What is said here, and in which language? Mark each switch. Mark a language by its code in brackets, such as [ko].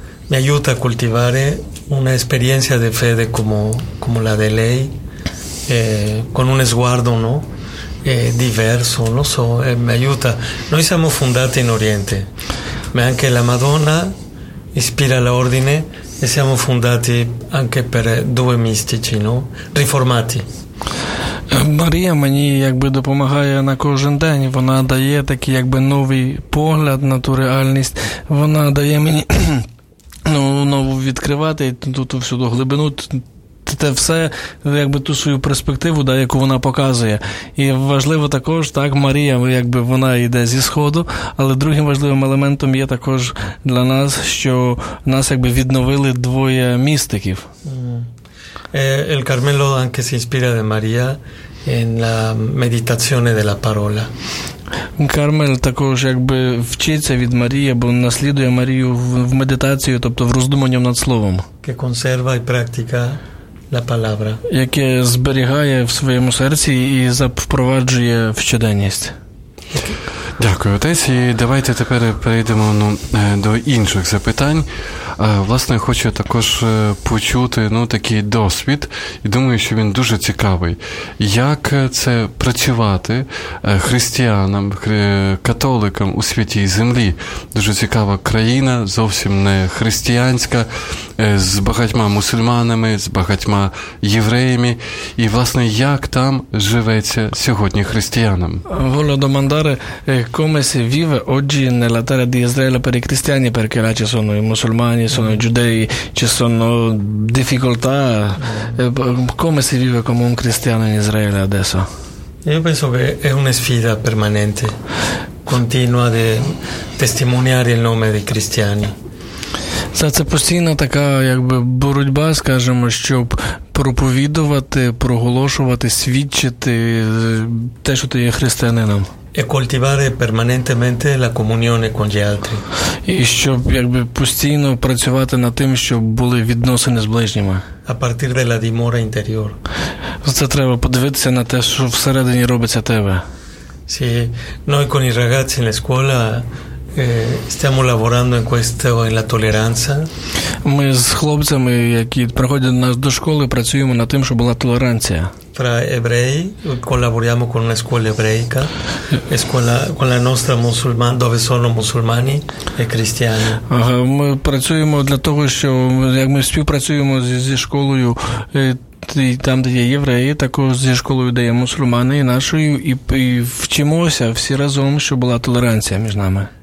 [it] Mi aiuta a coltivare una esperienza di fede come la di lei, con un sguardo, no? Diverso, non so, mi aiuta. Noi siamo fondati in Oriente, ma anche la Madonna ispira l'ordine e siamo fondati anche per due mistici, no? Riformati. [uk] Марія мені якби допомагає на кожен день. Вона дає такий якби новий погляд на ту реальність. Вона дає мені нову відкривати ту всюду глибину, те все, якби ту свою перспективу, да, яку вона показує. І важливо також, так, Марія, якби вона йде зі Сходу, але другим важливим елементом є також для нас, що нас якби відновили двоє містиків. [it] El Carmelo anche si ispira de Maria en la meditazione della parola. [uk] Кармель також якби вчиться від Марії, бо наслідує Марію в медитації, тобто в роздумуванні над словом. [it] Che conserva e pratica la parola, [uk] яке зберігає в своєму серці і впроваджує в щоденність. Дякую, отець. І давайте тепер перейдемо, ну, до інших запитань. Власне, хочу також почути, ну, такий досвід, і думаю, що він дуже цікавий. Як це працювати християнам, католикам у Святій Землі? Дуже цікава країна, зовсім не християнська, з багатьма мусульманами, з багатьма євреями. І, власне, як там живеться сьогодні християнам? [it] Volevo domandare come si vive oggi nella terra di Israele per i cristiani, perché là ci sono i musulmani, sono i giudei, ci sono difficoltà. Come si vive come un cristiano in Israele adesso? Io penso che è una sfida permanente, continua di testimoniare il nome dei cristiani. [uk] Це постійна така, якби, боротьба, скажімо, щоб проповідувати, проголошувати, свідчити те, що ти є християнином. [it] E coltivare permanentemente la comunione con gli altri. [uk] І щоб, якби, постійно працювати над тим, щоб були відносини з ближніми. [it] A partir della dimora interior. [uk] Це треба подивитися на те, що всередині робиться тебе. [it] Sì, noi con i ragazzi in la scuola stiamo lavorando in questo, in la tolleranza. [uk] Ми з хлопцями, які приходять до нас до школи, працюємо над тим, щоб була толеранція. [it] Tra ebrei, collaboriamo con una scuola ebraica, scuola, con la nostra musulmana, dove sono musulmani e cristiani. [uk] Ми працюємо для того, що як ми співпрацюємо зі школою, там, де є євреї, також зі школою, де є мусульмани і нашою, і вчимося всі разом, щоб була толеранція між нами.